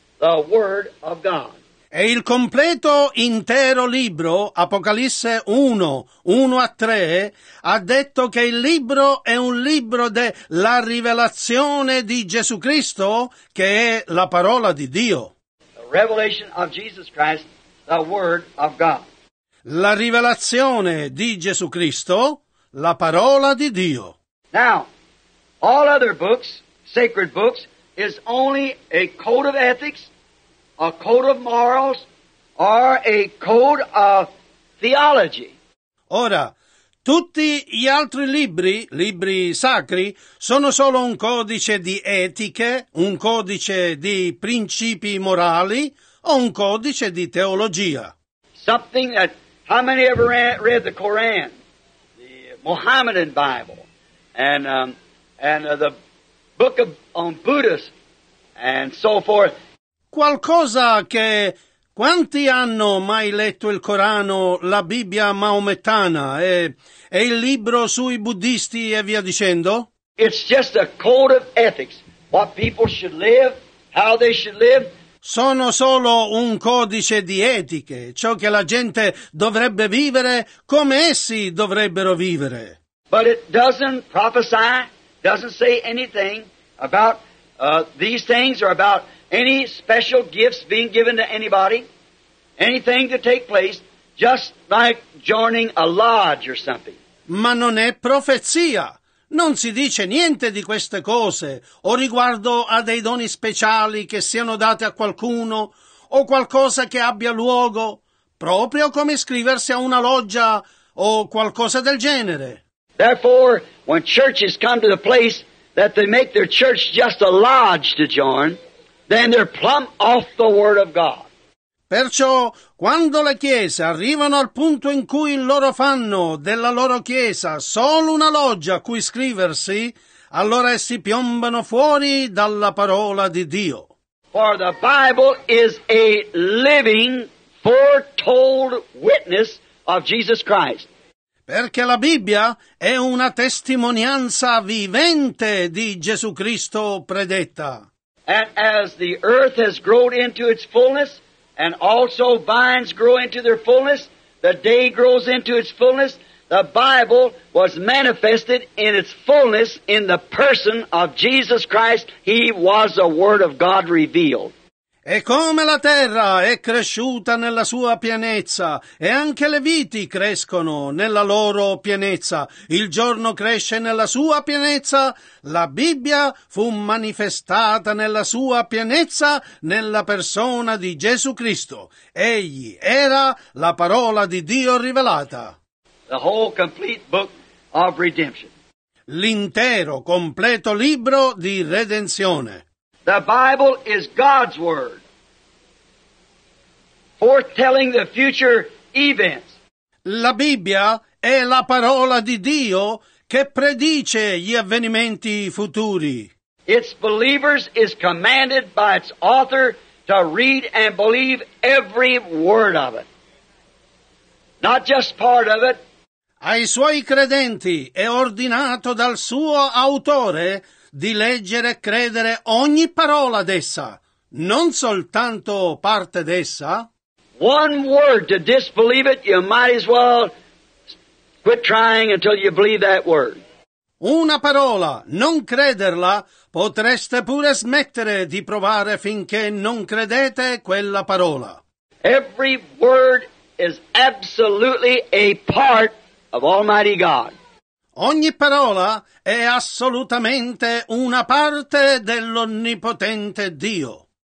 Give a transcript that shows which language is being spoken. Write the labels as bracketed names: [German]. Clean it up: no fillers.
[English] the Word of God. [Italian] E il completo intero libro, Apocalisse 1, 1 a 3, ha detto che il libro è un libro della rivelazione di Gesù Cristo, che è la parola di Dio. [English] The revelation of Jesus Christ, the Word of God. [Italian] La rivelazione di Gesù Cristo, la parola di Dio. [English] Now, all other books, sacred books, is only a code of ethics, a code of morals, or a code of theology. [Italian] Ora, tutti gli altri libri, libri sacri, sono solo un codice di etiche, un codice di principi morali, o un codice di teologia. [English] Something that, how many ever read the Quran, the Mohammedan Bible, and the book of, on Buddhism, and so forth? [Italian] Qualcosa che quanti hanno mai letto il Corano, la Bibbia maomettana e il libro sui buddhisti e via dicendo? [English] It's just a code of ethics, what people should live, how they should live. [Italian] Sono solo un codice di etiche, ciò che la gente dovrebbe vivere, come essi dovrebbero vivere. [English] But it doesn't prophesy, doesn't say anything about these things or about any special gifts being given to anybody, anything to take place, just like joining a lodge or something. [Italian] Ma non è profezia. Non si dice niente di queste cose, o riguardo a dei doni speciali che siano date a qualcuno, o qualcosa che abbia luogo, proprio come iscriversi a una loggia o qualcosa del genere. [English] Therefore, when churches come to the place that they make their church just a lodge to join, then they're plumb off the Word of God. [Italian] Perciò, quando le chiese arrivano al punto in cui loro fanno della loro chiesa solo una loggia a cui iscriversi, allora essi piombano fuori dalla parola di Dio. [English] For the Bible is a living, foretold witness of Jesus Christ. [Italian] Perché la Bibbia è una testimonianza vivente di Gesù Cristo predetta. [English] And as the earth has grown into its fullness, and also vines grow into their fullness, the day grows into its fullness, the Bible was manifested in its fullness in the person of Jesus Christ. He was the Word of God revealed. [Italian] E come la terra è cresciuta nella sua pienezza, e anche le viti crescono nella loro pienezza, il giorno cresce nella sua pienezza, la Bibbia fu manifestata nella sua pienezza nella persona di Gesù Cristo. Egli era la parola di Dio rivelata. [English] The whole complete book of redemption. [Italian] L'intero, completo libro di redenzione. [English] The Bible is God's word, foretelling the future events. [Italian] La Bibbia è la parola di Dio che predice gli avvenimenti futuri. [English] Its believers is commanded by its author to read and believe every word of it, not just part of it. [Italian] Ai suoi credenti è ordinato dal suo autore di leggere e credere ogni parola d'essa, non soltanto parte d'essa. [English] One word to disbelieve it, you might as well quit trying until you believe that word. [Italian] Una parola, non crederla, potreste pure smettere di provare finché non credete quella parola. [English] Every word is absolutely a part of Almighty God. [Italian] Ogni parola è assolutamente una parte dell'Onnipotente Dio.